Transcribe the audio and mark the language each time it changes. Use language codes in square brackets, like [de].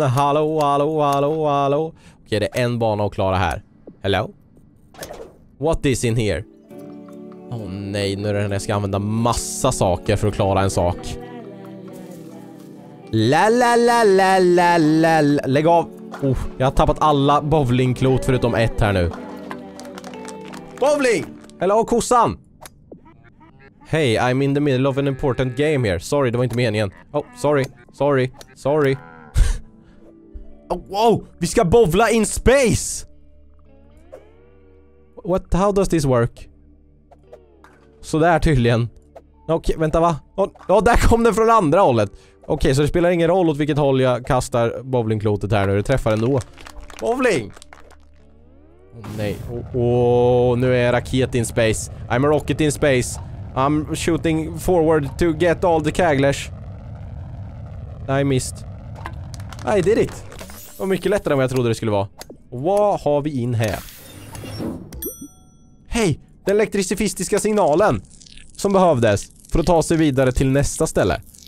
[sv] Hallå, hallå, hallå, hallå! Okej, det är en bana att klara här. [en] Hello? What is in here? [sv] Åh oh, nej, nu är det när jag ska använda massa saker för att klara en sak. La la la la la la la. Lägg av! Oh, jag har tappat alla bowlingklot förutom ett här nu. [en] Bowling! Hello, kossan! Hey, I'm in the middle of an important game here. [sv] Sorry, det var inte meningen. [en] Oh, sorry. Sorry. Sorry. Oh, wow! [sv] Vi ska bovla in space! [en] What? How does this work? [sv] Sådär tydligen. Okej, [en] okay, [sv] vänta va? Oh, där kom den från andra hållet. Okej, okay, så det spelar ingen roll åt vilket håll jag kastar bowlingklotet här nu. Det träffar ändå. Bowling! Oh, nej. Nu är jag raket in space. [en] I'm a rocket in space. I'm shooting forward to get all the kaglers. I missed. I did it. [sv] Det var mycket lättare än vad jag trodde det skulle vara. Och vad har vi in här? Hej! Den elektricifistiska signalen som behövdes för att ta sig vidare till nästa ställe.